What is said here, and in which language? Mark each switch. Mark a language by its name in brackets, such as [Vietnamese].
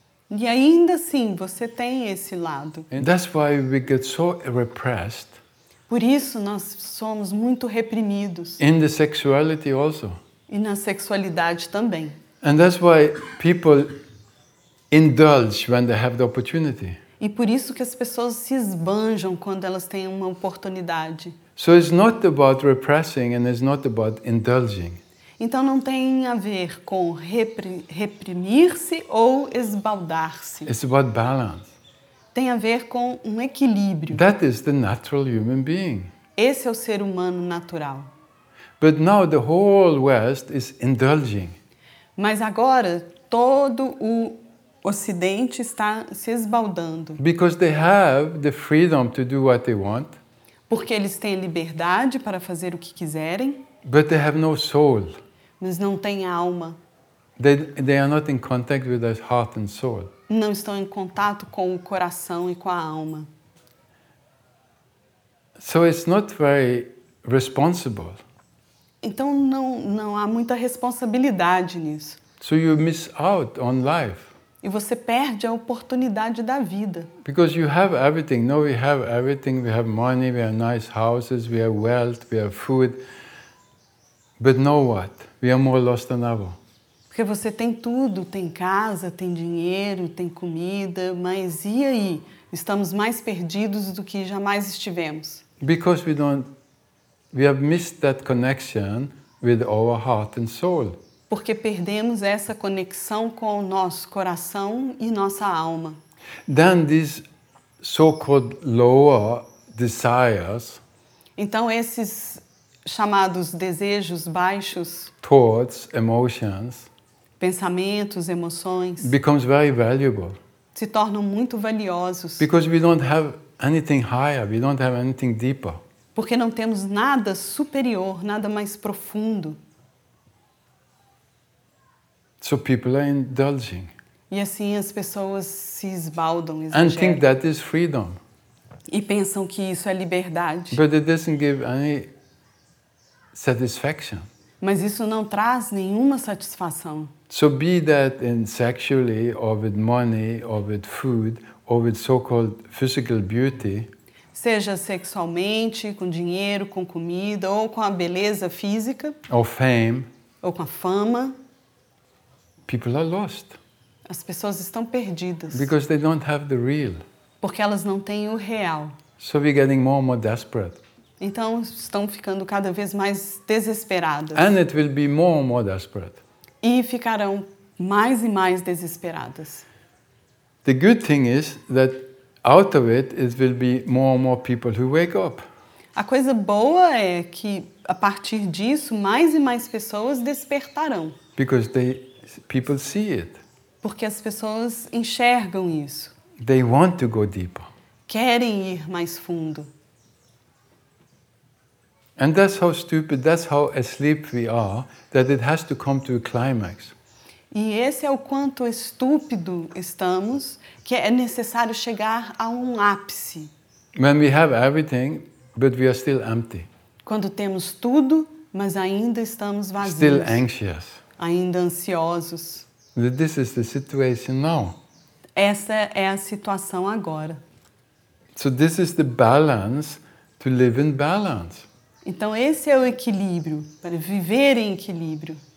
[Portuguese] E ainda assim, você tem esse lado. [English] And that's why we get so repressed. [Portuguese] Por isso, nós somos muito reprimidos. [English] In the sexuality also. [Portuguese] E na sexualidade também. [English] And that's why people indulge when they have the opportunity. [Portuguese] E por isso que as pessoas se esbanjam quando elas têm uma oportunidade. [English] So it's not about repressing and it's not about indulging. [Portuguese] Então não tem a ver com reprimir-se ou esbaldar-se. [English] It's about balance. [Portuguese] Tem a ver com um equilíbrio. [English] That is the natural human being. [Portuguese] Esse é o ser humano natural. [English] But now the whole West is indulging. [Portuguese] Mas agora todo o Ocidente está se esbaldando. [English] Because they have the freedom to do what they want. [Portuguese] Porque eles têm liberdade para fazer o que quiserem. [English] But they have no soul. [Portuguese] Mas não têm alma. [English] They are not in contact with their heart and soul. [Portuguese] Não estão em contato com o coração e com a alma. [English] So it's not very responsible. [Portuguese] Então não há muita responsabilidade nisso. [English] So you miss out on life. [Portuguese] E você perde a oportunidade da vida. [English] Because you have everything. No, we have everything. We have money, we have nice houses, we have wealth, we have food. But know what? We are more lost than ever. [Portuguese] Porque você tem tudo, tem casa, tem dinheiro, tem comida, mas e aí? Estamos mais perdidos do que jamais estivemos. [English] Because we have missed that connection with our heart and soul. [Portuguese] Porque perdemos essa conexão com o nosso coração e nossa alma. [English] Then these so-called lower desires. [Portuguese] Então esses chamados desejos baixos. [English] Thoughts, emotions. [Portuguese] Pensamentos, emoções. [English] Becomes very valuable. [Portuguese] Se tornam muito valiosos. [English] Because we don't have anything higher, we don't have anything deeper. [Portuguese] Porque não temos nada superior, nada mais profundo. [English] So people are indulging. [Portuguese] E assim as pessoas se esbaldam, exageram. [English] And think that is freedom. [Portuguese] E pensam que isso é liberdade. [English] But it doesn't give any satisfaction. [Portuguese] Mas isso não traz nenhuma satisfação. [English] So be that in sexually, or with money, or with food, or with so-called physical beauty. [Portuguese] Seja sexualmente, com dinheiro, com comida, ou com a beleza física. [English] Or fame. [Portuguese] Ou com a fama. [English] People are lost. [Portuguese] As pessoas estão perdidas. [English] Because they don't have the real. [Portuguese] Porque elas não têm o real. [English] So we're getting more and more desperate. [Portuguese] Então estão ficando cada vez mais desesperadas. [English] And it will be more and more desperate. [Portuguese] E ficarão mais e mais desesperadas. [English] The good thing is that out of it, it will be more and more people who wake up. [Portuguese] A coisa boa é que a partir disso mais e mais pessoas despertarão. [English] Because people see it. [Portuguese] Porque as pessoas enxergam isso. [English] They want to go deeper. [Portuguese] Querem ir mais fundo. [English] And that's how stupid, that's how asleep we are, that it has to come to a climax. [Portuguese] E esse é o quanto estúpido estamos, que é necessário chegar a um ápice. [English] When we have everything, but we are still empty. [Portuguese] Quando temos tudo, mas ainda estamos vazios. [English] Still anxious. [Portuguese] Ainda ansiosos. [English] This is the situation now. [Portuguese] Essa é a situação agora. [English] So this is the balance to live in balance. [Portuguese] Então esse é o equilíbrio, para viver em equilíbrio.